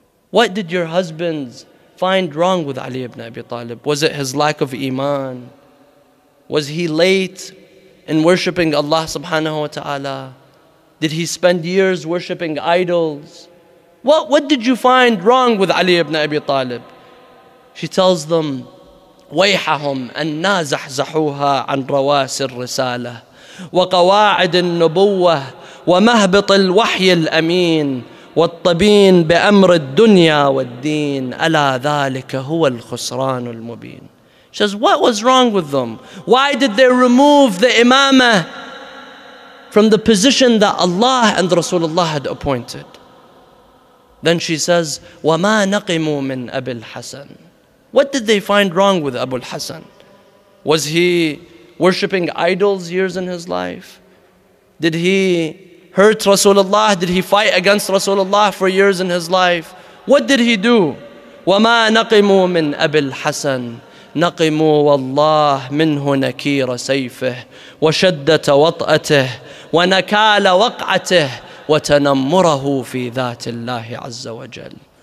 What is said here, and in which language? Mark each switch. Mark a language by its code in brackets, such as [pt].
[en] What did your husbands find wrong with Ali ibn Abi Talib? Was it his lack of iman? Was he late in worshiping Allah subhanahu wa ta'ala? Did he spend years worshiping idols? What did you find wrong with Ali ibn Abi Talib? She tells them, [ar] وَيْحَهُمْ أَنَّا زَحْزَحُوهَا عَنْ رَوَاسِ الرِّسَالَةِ وَقَوَاعِدِ النُّبُوَّةِ وَمَهْبِطِ الْوَحْيِ الْأَمِينِ والطبين بأمر الدنيا والدين ألا ذلك هو الخسران المبين. [en] She says, what was wrong with them? Why did they remove the imama from the position that Allah and Rasulullah had appointed? Then she says, [ar] وما نقموا من أبي الحسن. [en] What did they find wrong with Abu al-Hasan? Was he worshipping idols years in his life? Did he hurt Rasulullah? Did he fight against Rasulullah for years in his life? What did he do? [ar] وَمَا نَقِمُوا مِنْ أَبِي الْحَسَنِ نَقِمُوا وَاللَّهِ مِنْهُ نَكِيرَ سَيْفِهِ وَشَدَّةَ وَطْأَتِهِ وَنَكَالَ وَقْعَتِهِ وَتَنَمُّرَهُ فِي ذَاتِ اللَّهِ عَزَّ وَجَلَّ.